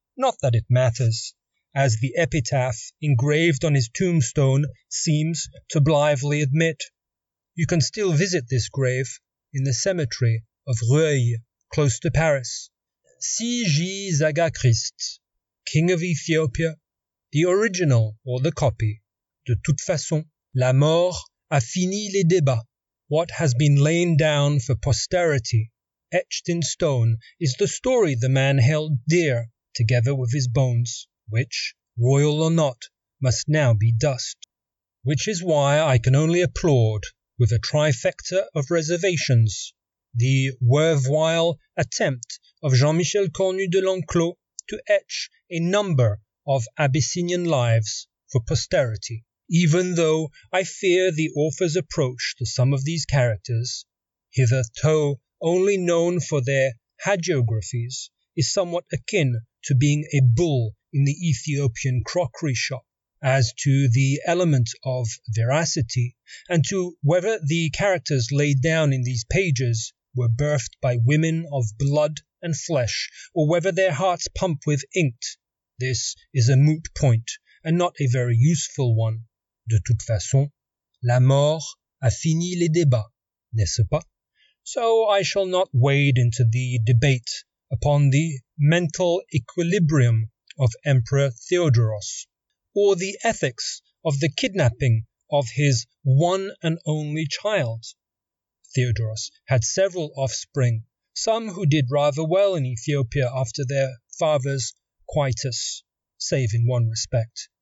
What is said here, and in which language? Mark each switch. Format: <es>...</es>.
<en>Not that it matters, as the epitaph engraved on his tombstone seems to blithely admit. You can still visit this grave in the cemetery of Rueil, close to Paris. Si J. Zegakrist, King of Ethiopia, the original or the copy.</en> <fr>De toute façon, la mort a fini les débats.</fr> <en>What has been laid down for posterity, etched in stone, is the story the man held dear, together with his bones, which, royal or not, must now be dust. Which is why I can only applaud, with a trifecta of reservations, the worthwhile attempt of Jean-Michel Cornu de l'Enclos to etch a number of Abyssinian lives for posterity. Even though I fear the author's approach to some of these characters, hitherto only known for their hagiographies, is somewhat akin to being a bull in the Ethiopian crockery shop. As to the element of veracity, and to whether the characters laid down in these pages were birthed by women of blood and flesh, or whether their hearts pump with ink, this is a moot point, and not a very useful one.</en> <fr>De toute façon, la mort a fini les débats, n'est-ce pas?</fr> <en>So I shall not wade into the debate upon the mental equilibrium of Emperor Theodoros, or the ethics of the kidnapping of his one and only child. Theodoros had several offspring, some who did rather well in Ethiopia after their father's coitus, save in one respect.</en>